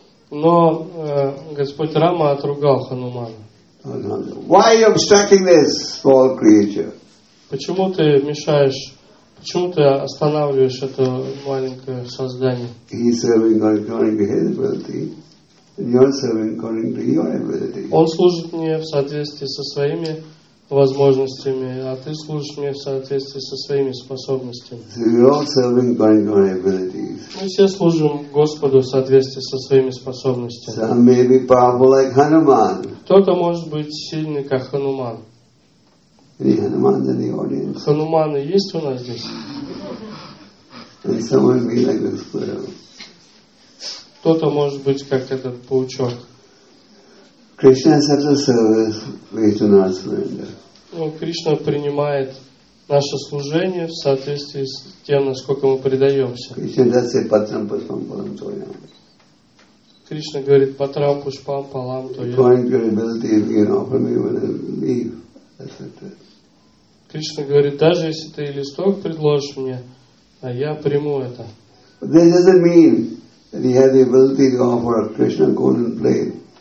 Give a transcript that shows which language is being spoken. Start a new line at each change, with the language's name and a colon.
Russian: Но Господь Рама отругал Ханумана.
English: Why are you obstructing this small creature?
Russian: Почему ты мешаешь? Почему ты останавливаешь это маленькое создание?
English: He's serving according to his ability, and you're serving according to your ability.
Russian: Он служит мне в соответствии со своими возможностями, а ты служишь мне в соответствии со своими способностями.
English: So we're all serving according to our abilities.
Russian: Мы все служим Господу в соответствии со своими способностями.
English: Some may be powerful like Hanuman.
Russian: Кто-то может быть сильный, как Хануман.
English: Any Hanuman in the audience?
Russian: Хануманы есть у нас здесь?
English: And someone may be like the squirrel.
Russian: Кто-то может быть как этот паучок.
English: Krishna accepts the service based on our surrender.
Russian: Кришна принимает наше служение в соответствии с тем, насколько мы предаемся.
English: Krishna does say
Sanskrit: patram pushpam palam toyam.
Russian: Кришна говорит
Sanskrit: патрам пушпам палам тоям.
English: According to your ability, you can offer me whatever leaf, etc.
Russian: Кришна говорит, даже если ты листок предложишь мне, а я приму это.
English: But this doesn't mean that he had the ability to offer Krishna golden plate.